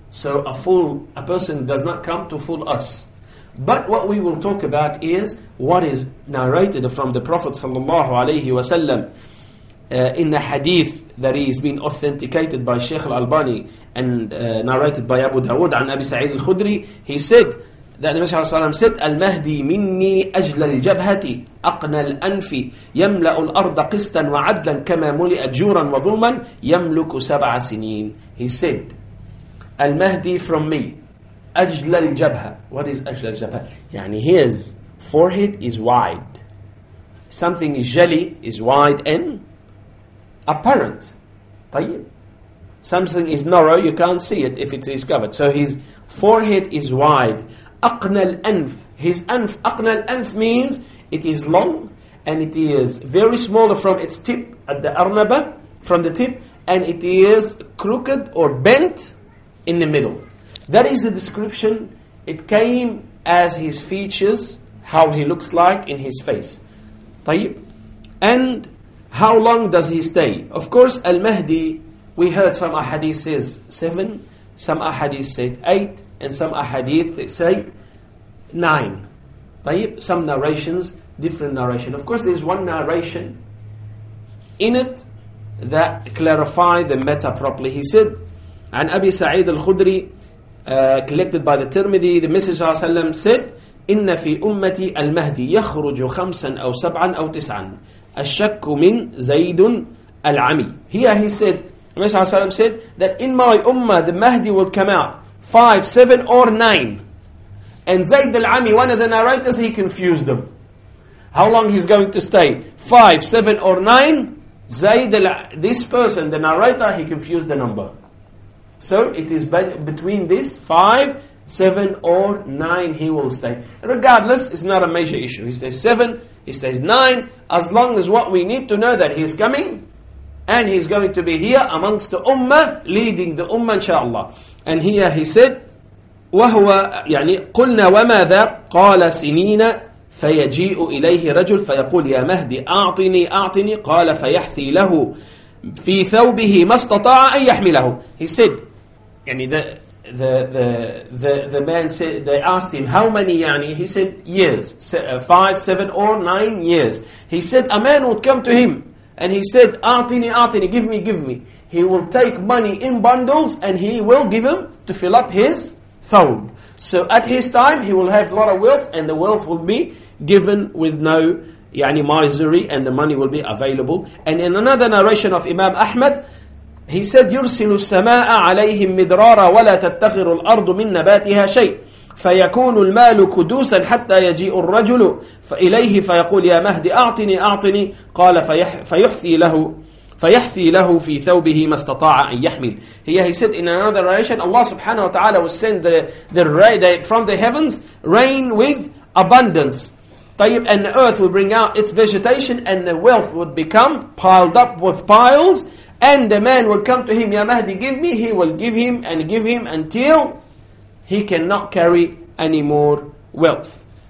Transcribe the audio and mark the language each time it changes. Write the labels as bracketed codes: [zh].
[en] So a person does not come to fool us. But what we will talk about is what is narrated from the Prophet sallallahu alayhi wa sallam in the hadith that is being authenticated by Shaykh al-Albani and narrated by Abu Dawud and Abi Sa'id al-Khudri. He said that the Messenger of Allah said, [ar] Al-Mahdi minni ajla al-jabhati. أقنى الأنف يملأ الأرض قسطا وعدلا كما ملئ جورا وظلما يملك سبع سنين. [en] He said, المهدي from me, [ar] أجل الجبهة. [en] What is أجل الجبهة? يعني his forehead is wide. Something is jelly is wide and apparent. [ar] طيب. [en] Something is narrow, you can't see it if it's discovered. So his forehead is wide. [ar] أقنى الأنف. [en] His أنف. [ar] أقنى الأنف [en] means it is long and it is very small from its tip at the arnaba, from the tip, and it is crooked or bent in the middle. That is the description. It came as his features, how he looks like in his face. [ar] طيب. [en] And how long does he stay? Of course, Al-Mahdi, we heard some ahadith says 7, some ahadith said 8, and some ahadith say 9. [ar] طيب. [en] Some narrations, different narration. Of course, there's one narration in it that clarify the matter properly. He said, [ar] عن أبي سعيد الخدري, [en] collected by the Tirmidhi, the Messenger said, [ar] إن في أمتي المهدي يخرج خمسا أو سبعا أو تسعا الشك من زيد العمي. [en] Here he said, the Messenger said, that in my ummah the Mahdi will come out 5, 7 or 9. And Zayd al-Ami, one of the narrators, he confused them. How long he's going to stay? 5, 7 or 9? Zayd al, this person, the narrator, he confused the number. So it is between this 5, 7 or 9 he will stay. Regardless, it's not a major issue. He says 7, he says 9, as long as what we need to know that he's coming and he's going to be here amongst the ummah, leading the ummah inshaAllah. And here he said, [ar] وَهُوَ يعني قُلْنَا وَمَاذَا قَالَ سِنِينَ فَيَجِيءُ إِلَيْهِ رَجُلٌ فَيَقُولْ يَا مَهْدِ أَعْطِنِي أَعْطِنِي قَالَ فَيَحْثِي لَهُ فِي ثَوْبِهِ مَسْتَطَاعَ أَنْ يَحْمِلَهُ. [en] He said, يعني the man said, they asked him, how many يعني? He said, years, 5, 7 or 9 years. He said, a man would come to him, and he said, [ar] أَعْطِنِي أَعْطِنِي, [en] give me, give me. He will take money in bundles, and he will give him to fill up his thawb. So at his time, he will have a lot of wealth, and the wealth will be given with no يعني misery, and the money will be available. And in another narration of Imam Ahmad, he said, [ar] يُرْسِلُ السَّمَاءَ عَلَيْهِمْ مِدْرَارًا وَلَا تَتَّخِرُ الْأَرْضُ مِنْ نَبَاتِهَا شَيْءٍ فَيَكُونُ الْمَالُ كُدُوسًا حَتَّى يَجِيءُ الرَّجُلُ فَإِلَيْهِ فَيَقُولْ يَا مَهْدِ أَعْطِنِي أَعْطِنِي قَالَ فَيُحْثِي لَهُ فِي ثَوْبِهِ مَا اسْتَطَاعَ أَنْ يَحْمِلْ. [en] Here he said, in another narration, Allah subhanahu wa ta'ala will send the rain from the heavens, rain with abundance. طيب, and the earth will bring out its vegetation, and the wealth would become piled up with piles, and the man will come to him, Ya Mahdi, give me, he will give him and give him until he cannot carry any more wealth.